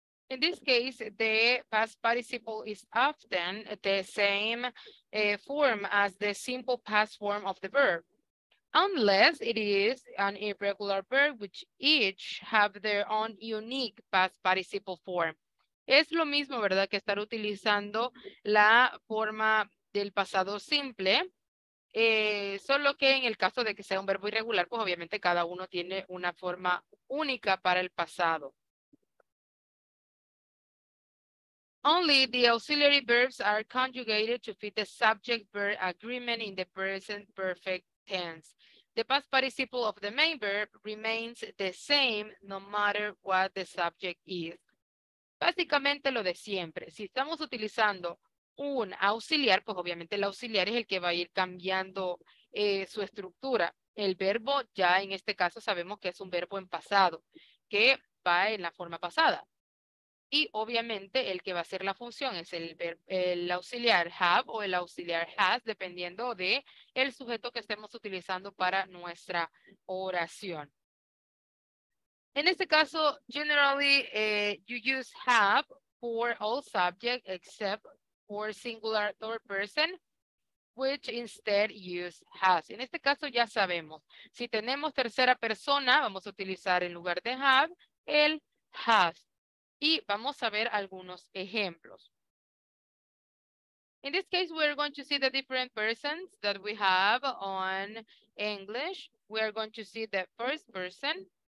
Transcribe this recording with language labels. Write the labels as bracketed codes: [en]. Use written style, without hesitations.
[en] In this case, the past participle is often the same form as the simple past form of the verb, unless it is an irregular verb, which each have their own unique past participle form. [es] Es lo mismo, ¿verdad?, que estar utilizando la forma del pasado simple, solo que en el caso de que sea un verbo irregular, pues obviamente cada uno tiene una forma única para el pasado. [en] Only the auxiliary verbs are conjugated to fit the subject-verb agreement in the present perfect tense. The past participle of the main verb remains the same no matter what the subject is. [es] Básicamente lo de siempre. Si estamos utilizando un auxiliar, pues obviamente el auxiliar es el que va a ir cambiando su estructura. El verbo ya en este caso sabemos que es un verbo en pasado, que va en la forma pasada. Y obviamente el que va a hacer la función es el auxiliar have o el auxiliar has, dependiendo de el sujeto que estemos utilizando para nuestra oración. En este caso, [en] generally, you use have for all subjects except for singular third person, which instead use has. [es] En este caso ya sabemos, si tenemos tercera persona, vamos a utilizar en lugar de have, el has. Y vamos a ver algunos ejemplos. [en] In this case, we're going to see the different persons that we have on English. We are going to see the first person.